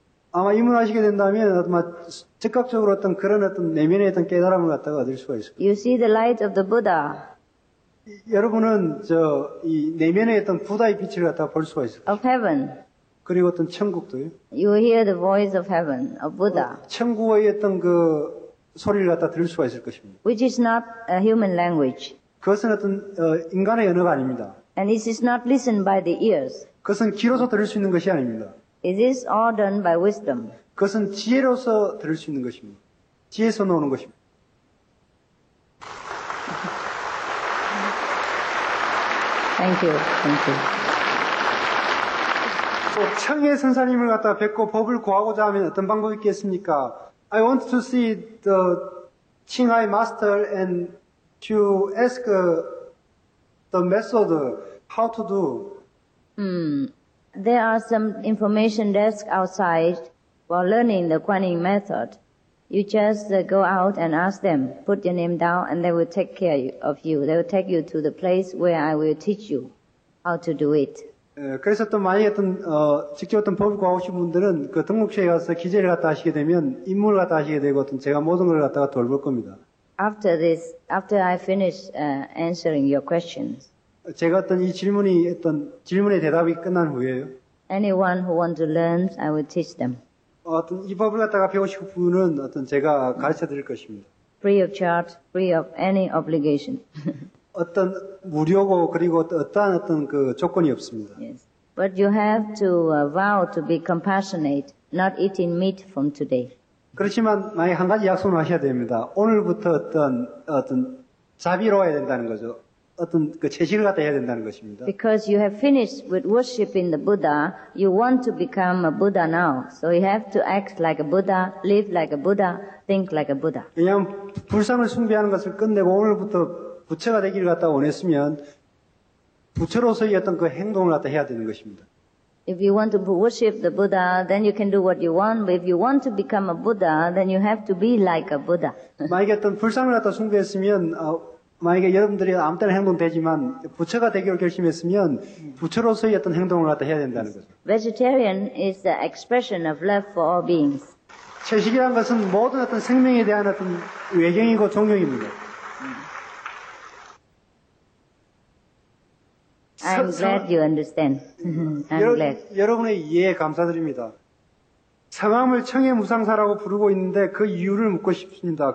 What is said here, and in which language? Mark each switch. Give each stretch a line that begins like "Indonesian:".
Korean: 아마 이 문을 하시게 된다면 아마 즉각적으로 어떤 그런 어떤 내면의 어떤 깨달음을 갖다가 얻을 수가 있습니다.
English: You see the light of the Buddha.
Korean: 여러분은 저 이 내면의 어떤 부다의 빛을 갖다가 볼 수가 있습니다.
English: Of heaven.
Korean: 그리고 어떤 천국도요.
English: You hear the voice of heaven, of Buddha.
Korean: 천국의 어떤 그 소리를 갖다 들을 수가 있을 것입니다.
English: Which is not a human language.
Korean: 그것은 어떤 인간의 언어가 아닙니다.
English: And it is not listened by the ears.
Korean: 그것은 귀로서 들을 수 있는 것이 아닙니다.
English: It is all done by wisdom.
Korean: 그것은 지혜로서 들을 수 있는 것입니다. 지혜에서 나오는 것입니다.
English: Thank you. Thank you.
Korean: 또 청해 선사님을 갖다 뵙고 법을 구하고자 하면 어떤 방법이 있겠습니까?
English: I want to see the Qinghai master and to ask the method how to do. There are some information desks outside while learning the Kuan Yin method. You just go out and ask them, put your name down, and they will take care of you. They will take you to the place where I will teach you how to do it.
Korean: 그래서 또 만약에 어떤, 직접 어떤 법을 구하고 싶은 분들은 그 등록실에 가서 기재를 갖다 하시게 되면 임무를 갖다 하시게 되고 어떤 제가 모든 걸 갖다가 돌볼 겁니다.
English: After this, after I finish answering your questions,
Korean: 제가 어떤 이 질문이 어떤 질문의 대답이 끝난 후에요.
English: Anyone who wants to learn, I will teach them.
Korean: 어떤 이 법을 갖다가 배우실 분은 어떤 제가 가르쳐 드릴 것입니다.
English: Free of charge, free of any obligation.
Korean: 어떤 무료고 그리고 어떠한 어떤 그 조건이 없습니다.
English: Yes. But you have to vow to be compassionate, not eating meat from today.
Korean: 그렇지만 만약 한 가지 약속을 하셔야 됩니다. 오늘부터 어떤 자비로워야 된다는 거죠. 어떤 그 채식을 갖다 해야 된다는 것입니다.
English: Because you have finished with worshiping the Buddha, you want to become a Buddha now. So you have to act like a Buddha, live like a Buddha, think like a Buddha.
Korean: 왜냐하면 불상을 숭배하는 것을 끝내고 오늘부터 부처가 되기를 갖다 원했으면 부처로서의 어떤 그 행동을 갖다 해야 되는 것입니다.
English: If you want to worship the Buddha, then you can do what you want. But if you want to become a Buddha, then you have to be like a Buddha.
Korean: 만약에 어떤 불상을 갖다 숭배했으면 만약에 여러분들이 아무 때나 행동되지만 부처가 되기를 결심했으면 부처로서의 어떤 행동을 갖다 해야 된다는 거죠.
English: Vegetarian is the expression of love for all beings.
Korean: 채식이란 것은 모든 어떤 생명에 대한 어떤 외경이고 존경입니다.
English: I'm glad you understand. I'm glad.
Korean: 여러분의 이해 감사드립니다. 성함을 청해 무상사라고 부르고 있는데 그 이유를 묻고 싶습니다.